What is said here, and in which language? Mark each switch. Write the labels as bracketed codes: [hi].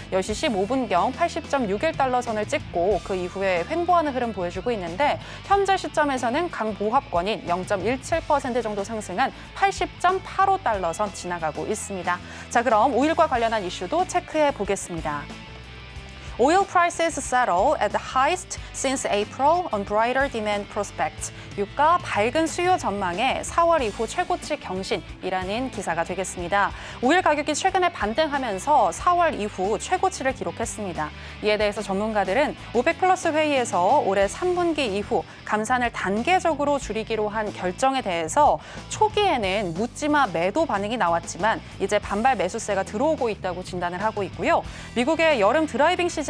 [ko] 10시 15분경 80.61달러 선을 찍고 그 이후에 횡보하는 흐름 보여주고 있는데 현재 시점에서는 강보합권인 0.17% 정도 상승한 80.85달러 선 지나가고 있습니다. 자, 그럼 5일과 관련한 이슈도 체크해 보겠습니다. [en] Oil prices settle at the highest since April on brighter demand prospects. [ko] 유가 밝은 수요 전망에 4월 이후 최고치 경신이라는 기사가 되겠습니다. 오일 가격이 최근에 반등하면서 4월 이후 최고치를 기록했습니다. 이에 대해서 전문가들은 OPEC 플러스 회의에서 올해 3분기 이후 감산을 단계적으로 줄이기로 한 결정에 대해서 초기에는 묻지마 매도 반응이 나왔지만 이제 반발 매수세가 들어오고 있다고 진단을 하고 있고요. 미국의 여름 드라이빙 시즌